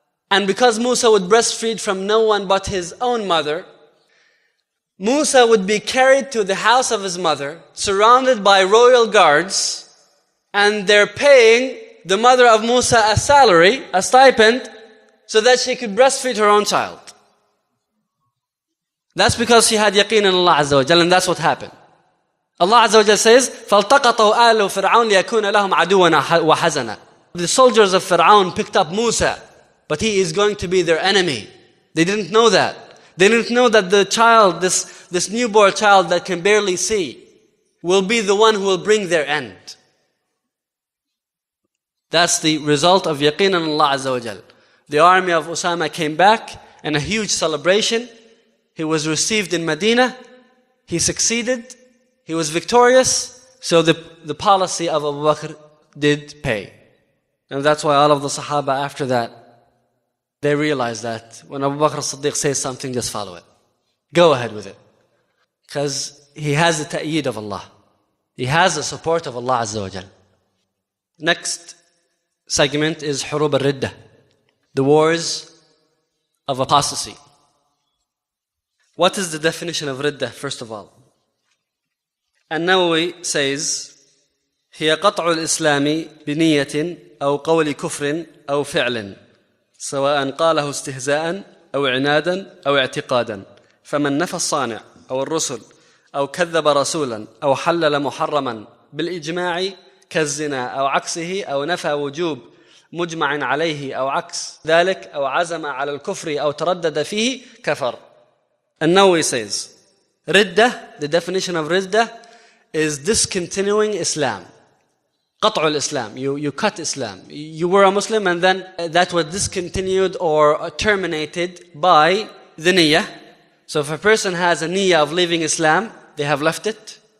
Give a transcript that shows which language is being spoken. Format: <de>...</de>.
<en>And because Musa would breastfeed from no one but his own mother, Musa would be carried to the house of his mother, surrounded by royal guards, and they're paying the mother of Musa a salary, a stipend, so that she could breastfeed her own child. That's because she had yaqeen in Allah Azza wa Jalla, and that's what happened. Allah Azza wa Jalla says,</en> <ar>فَالْتَقَطَوْا آلُ فِرْعَوْنَ لِيَكُونَ لَهُمْ عَدُوًا وَحَزَنًا.</ar> <en>The soldiers of Fir'aun picked up Musa, but he is going to be their enemy. They didn't know that. They didn't know that the child, this newborn child that can barely see, will be the one who will bring their end. That's the result of yaqeen in Allah Azza wa Jalla. The army of Usama came back in a huge celebration. He was received in Medina. He succeeded. He was victorious. So the policy of Abu Bakr did pay. And that's why all of the Sahaba after that, they realized that when Abu Bakr as-Siddiq says something, just follow it. Go ahead with it. Because he has the ta'eed of Allah. He has the support of Allah Azza wa Jalla. Next segment is Hurub al-Riddah, the wars of apostasy. What is the definition of Riddah, first of all? An-Nawawi says,</en> <ar>هِيَ قَطْعُ الْإِسْلَامِ بِنِيَّةٍ أَوْ قَوْلِ كُفْرٍ أَوْ فِعْلٍ سَوَاءً قَالَهُ اسْتِهْزَاءً أَوْ عِنَادًا أَوْ اعْتِقَادًا فَمَنْ نَفَى الصَّانِعْ أَوْ الرُّسُلْ أَوْ كَذَّبَ رَسُولًا أَوْ حَلَّلَ مُحَرَّمًا بِالْإِجْمَاعِ كالزنا أو عكسه أو نفى وجوب مجمع عليه أو عكس ذلك أو عزم على الكفر أو تردد فيه كفر.</ar> <en>النووي says, ردة, the definition of ردة is discontinuing Islam.</en> <ar>قطع الإسلام,</ar> <en>you cut Islam. You were a Muslim and then that was discontinued or terminated by the نية. So if a person has a نية of leaving Islam, they have left it.</en>